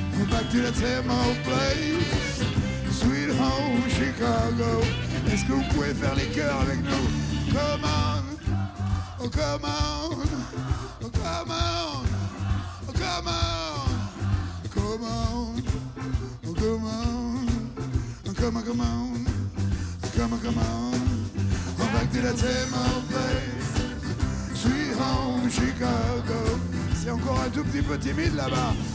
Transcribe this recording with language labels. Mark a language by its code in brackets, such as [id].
[en] Back to that same old place, sweet home Chicago. Let's go play for the girl [fr] avec nous. [en] Come on, oh come on, oh come on, oh come on, oh come on, oh come on, oh come on, come on, oh come on, come on. Oh, back to that same old place, sweet home Chicago. [fr] C'est encore un tout petit peu timide là-bas.